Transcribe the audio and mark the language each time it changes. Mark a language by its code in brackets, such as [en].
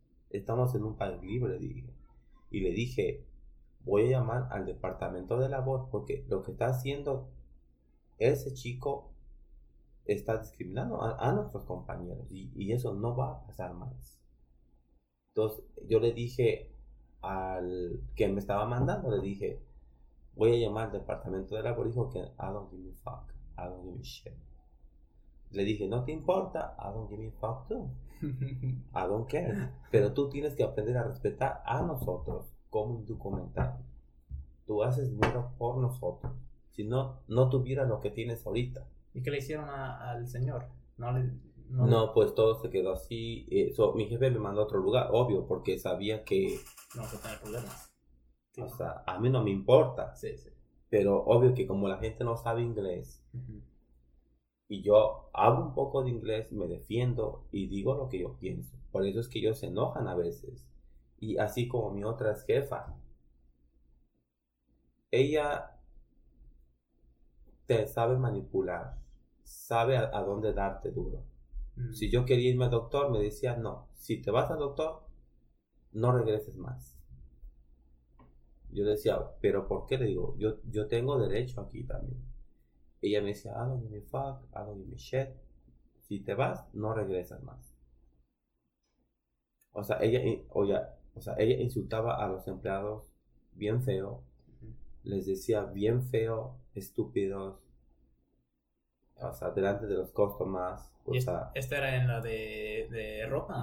[es] Estamos en un país libre, le dije. Y le dije, voy a llamar al departamento de labor porque lo que está haciendo ese chico está discriminando a nuestros compañeros y eso no va a pasar más. Entonces yo le dije al que me estaba mandando, le dije, voy a llamar al departamento de labor. Dijo que [en] I don't give a fuck, I don't give a shit. [es] Le dije, no te importa, [en] I don't give a fuck too, I don't care. [es] Pero tú tienes que aprender a respetar a nosotros como indocumentado. Tú haces dinero por nosotros, si no, no tuvieras lo que tienes ahorita. ¿Y qué le hicieron al señor? No, pues todo se quedó así. Mi jefe me mandó a otro lugar, obvio, porque sabía que... No, que tenía problemas. Sí. O sea, a mí no me importa. Sí, sí. Pero obvio que como la gente no sabe inglés, uh-huh. y yo hablo un poco de inglés, me defiendo y digo lo que yo pienso. Por eso es que ellos se enojan a veces. Y así como mi otra jefa, ella... te sabe manipular, sabe a dónde darte duro. Mm. Si yo quería irme al doctor, me decía, no, si te vas al doctor, no regreses más. Yo decía, pero ¿por qué? Le digo, yo tengo derecho aquí también. Ella me decía, [en] I don't give a fuck, I don't give a shit. [es] Si te vas, no regresas más. O sea, ella insultaba a los empleados bien feo, les decía bien feo, estúpidos, o sea, delante de los customers. Esta era en la de ropa.